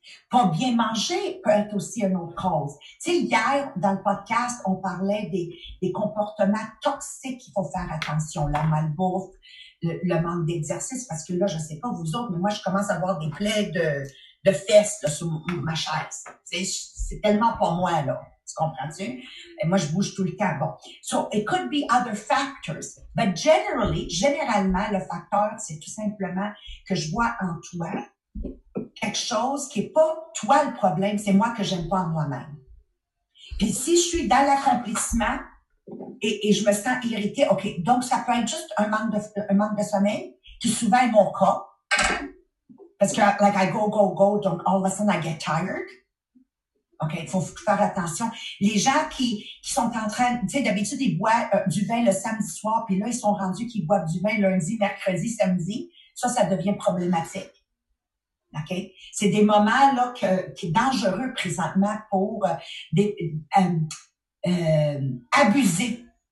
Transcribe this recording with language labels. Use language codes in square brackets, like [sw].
[fr] Pas bien manger peut être aussi une autre cause. Tu sais, hier, dans le podcast, on parlait des comportements toxiques qu'il faut faire attention. La malbouffe, le manque d'exercice, parce que là, je sais pas vous autres, mais moi, je commence à avoir des plaies de fesses là, sur ma chaise. C'est tellement pas moi, là. Tu comprends-tu? Et moi, je bouge tout le temps. Bon. [en] So, it could be other factors. But [fr] généralement, le facteur, c'est tout simplement que je vois en toi quelque chose qui n'est pas toi le problème, c'est moi que je n'aime pas en moi-même. Et si je suis dans l'accomplissement et je me sens irritée, OK, donc ça peut être juste un manque de sommeil, qui souvent est mon cas. Parce que, [en] like, I go, [fr] donc [en] all of a sudden, I get tired. [fr] OK, il faut faire attention. Les gens qui sont en train, tu sais, d'habitude, ils boivent du vin le samedi soir, puis là, ils sont rendus qu'ils boivent du vin lundi, mercredi, samedi. Ça devient problématique. OK? C'est des moments, là, qui sont dangereux présentement pour abuser.